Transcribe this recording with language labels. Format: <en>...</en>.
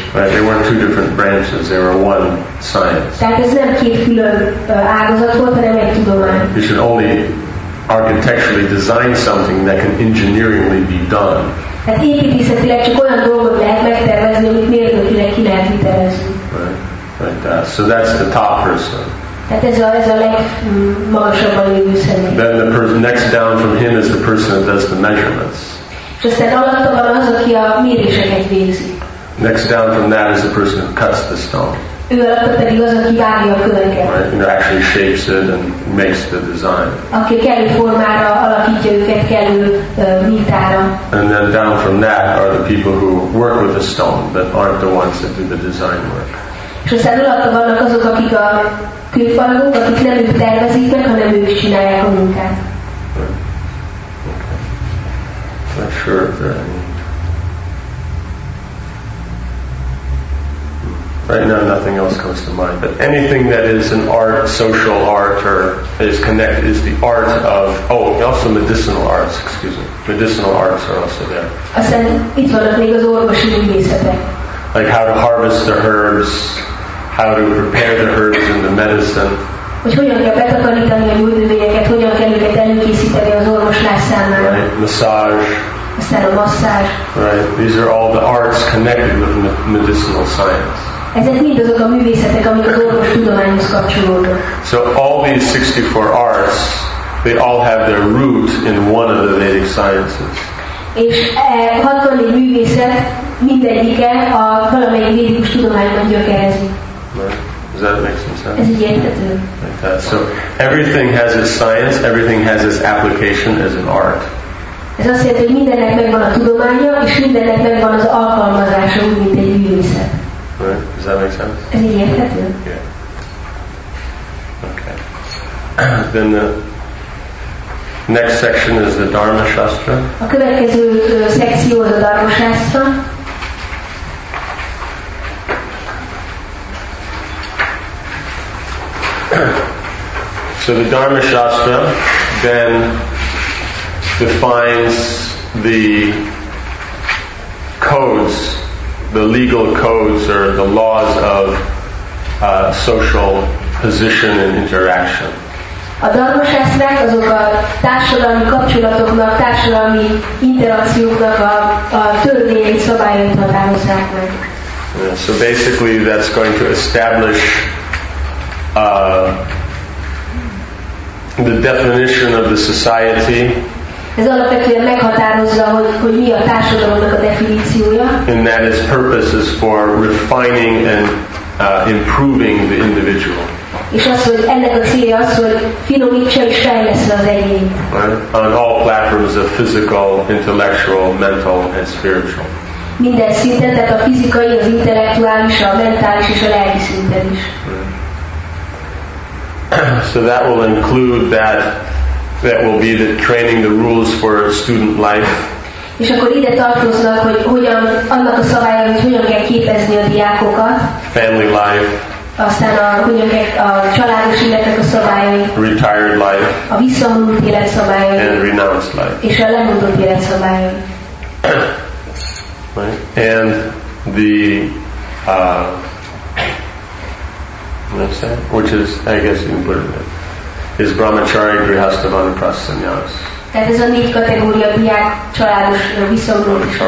<en>Right, they weren't two different branches, they were one science.</en> <hu>Tehát ez nem két külön ágazat volt, hanem egy tudomány.</hu> <en>You should only architecturally design something that can engineeringly be done.</en> <hu>Hát építészetileg csak olyan dolgot lehet megtervezni, amit mérnökileg ki lehet hitelezni.</hu> <en>Right, so that's the top person.</en> <hu>Tehát ez a legmagasabban lévő személy.</hu> <en>Then the next down from him is the person that does the measurements.</en> <hu>És aztán alatta van az, aki a méréseket végzi.</hu> <en>Next down from that is the person who cuts the stone.</en> <hu>Ő alatta pedig az, aki vágja a köveket.</hu> <en>Right, and actually shapes it and makes the design.</en> <hu>Aki kellő formára alakítja őket, kellő mintára.</hu> <en>And then down from that are the people who work with the stone, but aren't the ones that do the design work.</en> <hu>És aztán alatta vannak azok, akik a külfalagok, akik nem ők tervezik meg, hanem ők csinálják a munkát.</hu> <en>Not sure if there are any. Right now nothing else comes to mind, but anything that is an art, social art, or is connected, is the art of, oh, also medicinal arts, excuse me. Medicinal arts are also there.</en> <hu>Aztán itt vannak még az orvosi művészetek.</hu> <en>Like how to harvest the herbs, how to prepare the herbs and the medicine.</en> <hu>Hogy hogyan kell betakarítani a gyógynövényeket, hogyan kell őket előkészíteni az orvoslás számára.</hu> <en>Right, massage.</en> <hu>Aztán a masszázs.</hu> <en>Right, these are all the arts connected with medicinal science.</en> <hu>Ezek mind azok a művészetek, amik az orvos tudományhoz kapcsolódnak.</hu> <en>So all these 64 arts, they all have their root in one of the Vedic sciences.</en> <hu>És 64 művészet mindegyike a valamelyik védikus tudományban gyökerezi.</hu> <en>Does that make some sense? Like that. So everything has its science, everything has its application as an art.</en> <hu>Ez azt jelenti, hogy mindennek megvan a tudománya, és mindennek megvan az alkalmazása, úgy, mint egy művészet.</hu> <en>Right. Does that make sense?</en> <hu>Ez így érthető?</hu> <en>Yeah. Okay. Then the next section is the Dharma Shastra.</en> <hu>A következő szekció az a Dharma Shastra.</hu> <en>So the Dharma Shastra then defines the codes, the legal codes or the laws of social position and interaction.</en> <hu>A Dharma Shastra azok a társadalmi kapcsolatoknak, társadalmi interakcióknak a törvényei, szabályait határozzák meg.</hu> <en>So basically that's going to establish the definition of the society.</en> <hu>Ez alapvetően meghatározza, hogy mi a társadalomnak a definíciója.</hu> <en>And that its purpose is for refining and improving the individual.</en> <hu>És az, hogy ennek a célja az, hogy finomítsa és fejlesztse az egyén.</hu> <en>On all platforms of physical, intellectual, mental and spiritual.</en> <hu>Minden szinten, tehát a fizikai, az intellektuális, a mentális és a lelki szinten is.</hu> <en>So that will include that, that will be the training the rules for student life.</en> <hu>És akkor ide tartoznak, hogy hogyan, annak a szabály, hogy hogyan kell képezni a diákokat.</hu> <en>Family life.</en> <hu>Aztán a, hogyan kell, a családos életnek a szabályai.</hu> <en>Retired life.</en> <hu>A visszavonult élet szabályai.</hu> <en>And renounced life.</en> <hu>És a lemondott élet szabályai.</hu> <en>Right? And the what's that? Which is, I guess, you can put it in, is brahmacharya, grihastha, vanaprastha, sannyas.</en> <hu>Tehát ez a négy kategória, diák, családos, viszonylag.</hu>